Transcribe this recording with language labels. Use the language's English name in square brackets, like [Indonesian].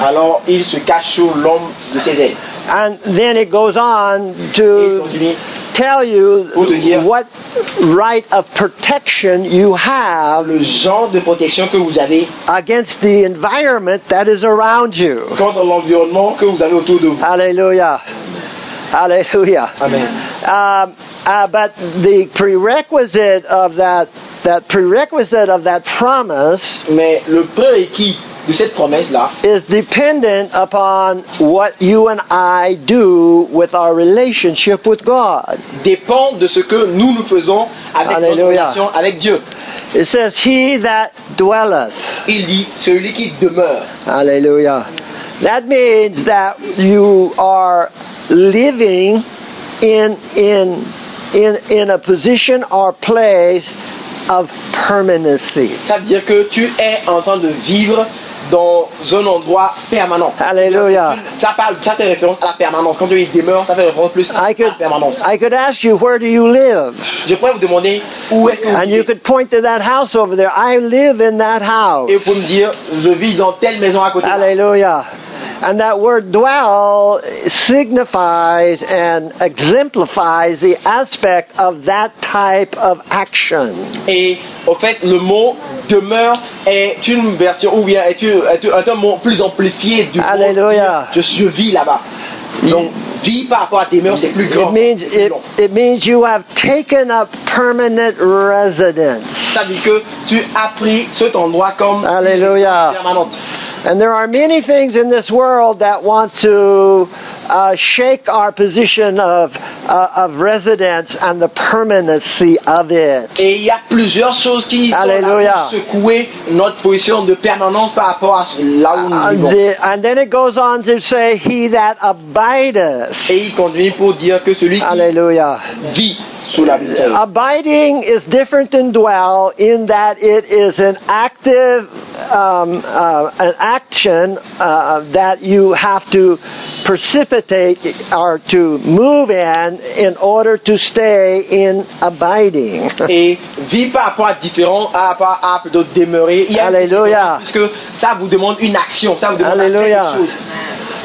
[French] Alors, il se cache sous l'ombre de ses ailes. [English] And then it goes on to tell you what right of protection you have, [French] le genre de protection que vous avez [English] against the environment that is around you. [French] Contre l'environnement que vous avez autour de vous. Hallelujah. Hallelujah. Amen. [English] But the prerequisite of that prerequisite of that promise, [French] mais le prérequis de cette promesse là, [English] is dependent upon what you and I do with our relationship with God. [French] Dépend de ce que nous faisons avec notre relation avec Dieu. [English] It says, he that dwelleth. [French] Il dit, celui qui demeure. Hallelujah. [English] That means that you are living in a position or place of permanency. [French] Ça veut dire que tu es en train de vivre dans un endroit permanent. Alléluia. Ça parle, ça fait référence à la permanence. Quand tu y demeures, ça fait référence plus à la permanence. [English] I could ask you, where do you live? [French] Je pourrais vous demander où est-ce que vous vivez. [English] And you could point to that house over there. I live in that house. [French] Et vous me dire, je vis dans telle maison à côté. Alléluia. [English] And that word dwell signifies and exemplifies the aspect of that type of action. [French] Et au fait, le mot demeure est une version ou bien est un mot plus amplifié du mot. Alléluia. Je vis là-bas. Donc, vie par rapport à tes murs, c'est plus grand. [English] It means you have taken up permanent residence. [French] Ça veut dire que tu as pris cet endroit comme permanent. [English] And there are many things in this world that want to shake our position of residence and the permanency of it. [French] Et il y a plusieurs choses qui vont secouer notre position de permanence par rapport à là où nous vivons. [English] And then it goes on to say, he that abideth. [French] Et il continue pour dire que celui Alleluia. Qui vit. [English] Abiding is different than dwell in that it is an active an action that you have to precipitate or to move in order to stay in abiding. [French] Et vie par rapport à différent à part à de demeurer. Alléluia. Parce que ça vous demande une action, ça vous demande quelque chose.